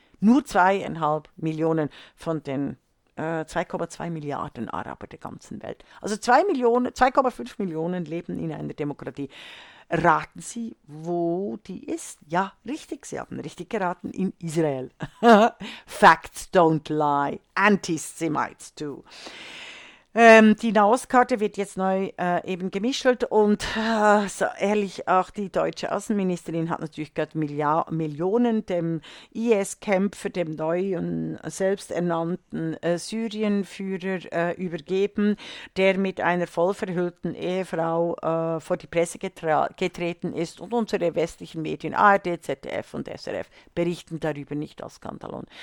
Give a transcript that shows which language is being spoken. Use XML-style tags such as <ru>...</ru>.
<de>Nur 2,5 Millionen von den 2,2 Milliarden Araber der ganzen Welt. Also 2,5 Millionen leben in einer Demokratie. Raten Sie, wo die ist? Ja, richtig, Sie haben richtig geraten, in Israel.</de> <en>Facts don't lie. Antisemites do.</en> <de>Die NAS-Karte wird jetzt neu eben gemischelt und so ehrlich, auch die deutsche Außenministerin hat natürlich gerade Millionen dem IS-Kämpfer, dem neuen selbsternannten Syrienführer übergeben, der mit einer vollverhüllten Ehefrau vor die Presse getreten ist und unsere westlichen Medien ARD, ZDF und SRF berichten darüber nicht als Skandalon.</de>